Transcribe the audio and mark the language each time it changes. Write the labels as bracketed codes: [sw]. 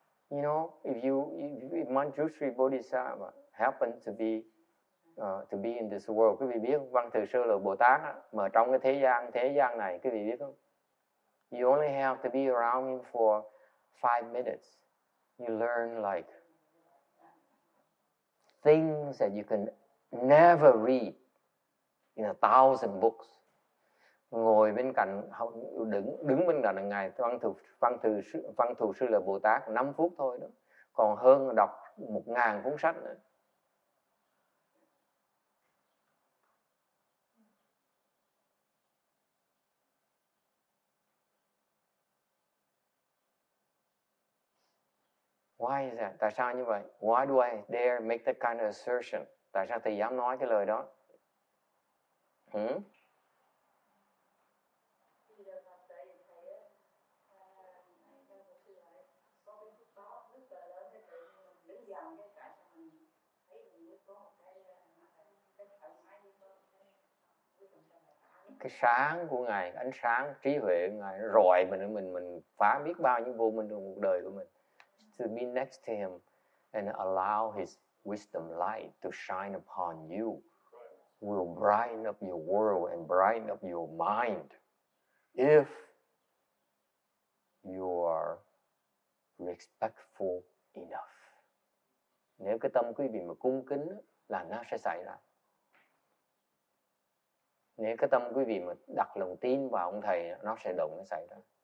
[en] You know, if Manjushri Bodhisattva happened to be in this world, [vi] quý vị biết Văn Thù Sư là Bồ Tát á, mà trong cái thế gian này, quý vị biết không? [en] You only have to be around him for 5 minutes. You learn like things that you can never read in 1,000 books. [vi] Ngồi bên cạnh, đứng bên cạnh ngài Văn Thù Sư là Bồ Tát 5 phút thôi đó, còn hơn đọc 1,000 cuốn sách nữa. [en] Why is that? [vi] Tại sao như vậy? [en] Why do I dare make that kind of assertion? [vi] Tại sao thầy dám nói cái lời đó? Cái sáng của ngài, ánh sáng trí huệ của ngài rọi mình phá biết bao nhiêu vô minh trong cuộc đời của mình. [en] To be next to him and allow his wisdom light to shine upon you will brighten up your world and brighten up your mind if you are respectful enough. [vi] Nếu cái tâm quý vị mà cung kính là nó sẽ xảy ra. Nếu cái tâm quý vị mà đặt lòng tin vào ông thầy, nó sẽ động, nó xảy ra.